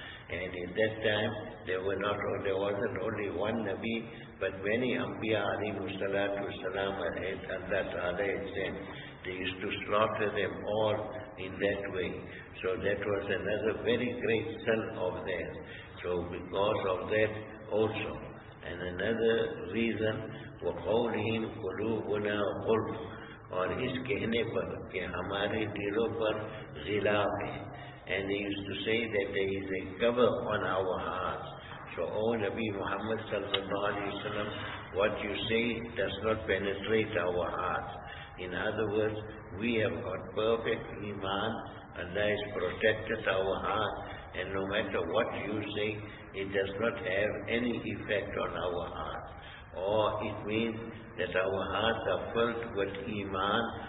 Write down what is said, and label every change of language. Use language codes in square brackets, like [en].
[en] And in that time, there wasn't only one Nabi, but many Anbiya alayhi salatu wasalam and Allah Ta'ala had sent. They used to slaughter them all in that way. So that was another very great sin of theirs. So because of that also. And another reason, [ar] وَقَوْلِهِمْ قُلُوبُنَا غُلْفٌ [ur] اور اس کہنے پر کہ ہمارے دلوں پر غلاف ہے. [en] And they used to say that there is a cover on our hearts. So, O Nabi Muhammad sallallahu alayhi wa sallam, what you say does not penetrate our hearts. In other words, we have got perfect iman, Allah has protected our heart, and no matter what you say, it does not have any effect on our heart. Or it means that our hearts are filled with iman,